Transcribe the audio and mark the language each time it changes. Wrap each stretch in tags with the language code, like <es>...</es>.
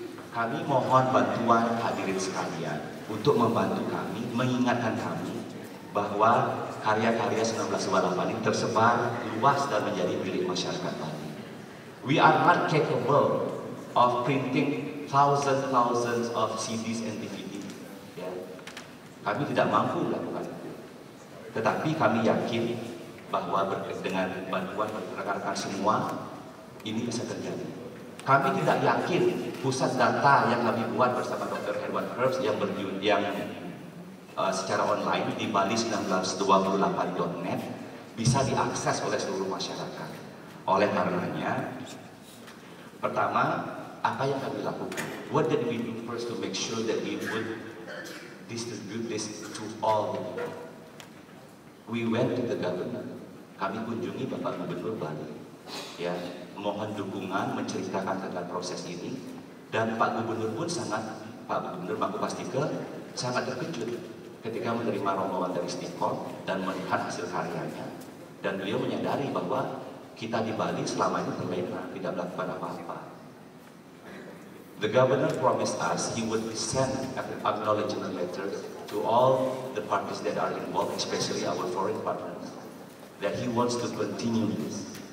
<id>Kami mohon bantuan hadirin sekalian untuk membantu kami, mengingatkan kami bahwa karya-karya 1998 ini tersebar luas dan menjadi milik masyarakat Bali.</id> <en>We are not capable of printing thousands of CDs and DVD. Yeah.</en> <id>Kami tidak mampu melakukan itu. Tetapi kami yakin bahwa dengan bantuan rekan-rekan semua, ini bisa terjadi. Kami tidak yakin pusat data yang kami buat bersama Dr. Herman Herbst secara online di bali1928.net bisa diakses oleh seluruh masyarakat. Oleh karenanya, pertama, apa yang kami lakukan?</id> <en>What did we do first to make sure that we would distribute this to all the people? We went to the government.</en> <id>Kami kunjungi Bapak Gubernur Bali, ya, mohon dukungan menceritakan tentang proses ini, dan Pak Gubernur pun sangat, Pak Gubernur Mangku Pastike sangat terkejut ketika menerima rombongan dari STIKON dan melihat hasil karyanya, dan beliau menyadari bahwa kita di Bali selama ini terlena, tidak melakukan apa-apa.</id> <en>The governor promised us he would send an acknowledgement letter to all the parties that are involved, especially our foreign partners, that he wants to continue this.</en>